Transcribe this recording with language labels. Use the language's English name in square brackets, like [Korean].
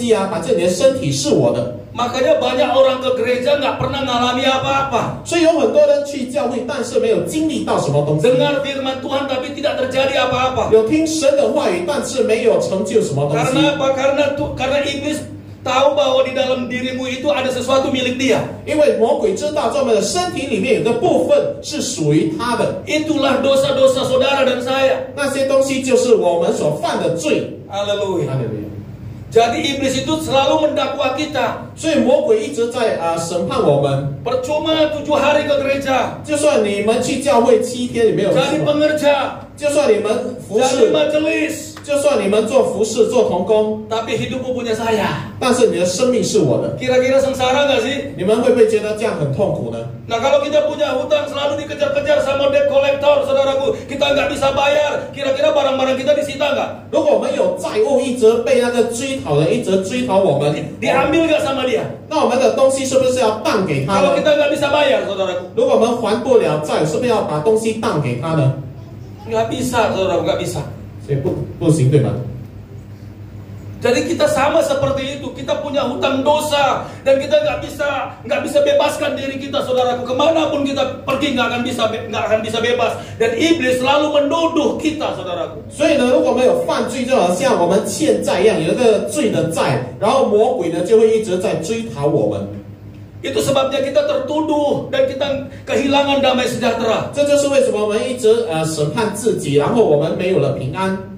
[Chinese] Tetapi,就算我们来到教会，魔鬼会说你去教会没关系啊，反正你的身体是我的。 [Indonesian] Makanya banyak orang ke gereja enggak pernah mengalami apa-apa. [Chinese] 所以有很多人去教会，但是没有经历到什么东西。 [Indonesian] Dengar firman Tuhan tapi tidak terjadi apa-apa. [Chinese] 有听神的话语，但是没有成就什么东西。 [Indonesian] Karena apa? Karena iblis tahu bahwa di dalam dirimu itu ada sesuatu milik dia. [Chinese] 因为魔鬼知道在我们的身体里面有的部分是属于他的。 [Indonesian] Itulah dosa-dosa saudara dan saya. [Chinese] 那些东西就是我们所犯的罪。 [Indonesian] Haleluya. Jadi iblis itu selalu mendakwa kita. [Chinese] 所以魔鬼一直在 审判我们。 [Indonesian] Percuma 7 hari ke gereja. [Chinese] 就算你们去教会7天也没有。 [Indonesian] jadi pengerja. [Chinese] 就算你们服侍。 [Indonesian] jadi majelis. [Chinese] 就算你们做服侍做同工， [Indonesian] tapi hidupmu punya saya， [Chinese] 但是你的生命是我的。 [Indonesian] kira-kira sengsara gak sih？ [Chinese] 你们会不会觉得这样很痛苦呢？ [Indonesian] Nah kalau kita punya hutang selalu dikejar-kejar sama debt collector， saudaraku， kita gak bisa bayar， kira-kira barang-barang kita disita gak？ [Chinese] 如果我们有债务一直被那个追讨的一直追讨我们， [Indonesian] diambil gak sama dia？ [Chinese] 那我们的东西是不是要当给他？ [Indonesian] Kalau kita gak bisa bayar， saudaraku， [Chinese] 如果我们还不了债，是不是要把东西当给他呢？ [Indonesian] Gak bisa， saudaraku， gak bisa。 [Chinese] 不行对吧？ [Indonesian] Jadi kita sama seperti itu, kita punya hutang dosa dan kita nggak bisa bebaskan diri kita, saudaraku. Kemanapun kita pergi nggak akan bisa bebas. Dan iblis selalu menuduh kita, saudaraku. [Chinese] 所以呢，如果没有犯罪，就好像我们欠债一样，有一个罪的债，然后魔鬼呢就会一直在追讨我们。 [Indonesian] Itu sebabnya kita tertuduh dan kita kehilangan damai sejahtera. [Chinese] 这就是为什么我们一直 审判自己，然后我们没有了平安。